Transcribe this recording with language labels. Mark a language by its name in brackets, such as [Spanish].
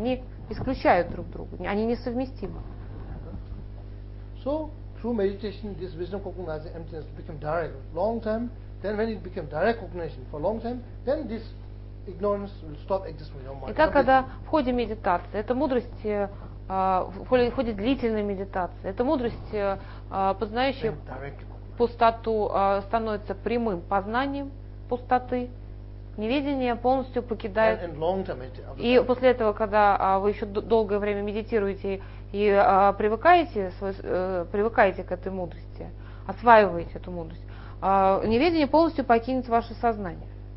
[Russian] Они исключают друг друга, они несовместимы. [English] So, through meditation, this wisdom cognizing emptiness became direct for a long time. Then when it became direct cognition for a long time, then this ignorance will stop existing in your mind. [Russian] Итак, когда в ходе медитации эта мудрость в ходе длительной медитации, эта мудрость, познающая пустоту, становится прямым познанием пустоты, неведение полностью покидает. И после этого, когда вы еще долгое время медитируете и привыкаете к этой мудрости, осваиваете эту мудрость, неведение полностью покинет ваше сознание.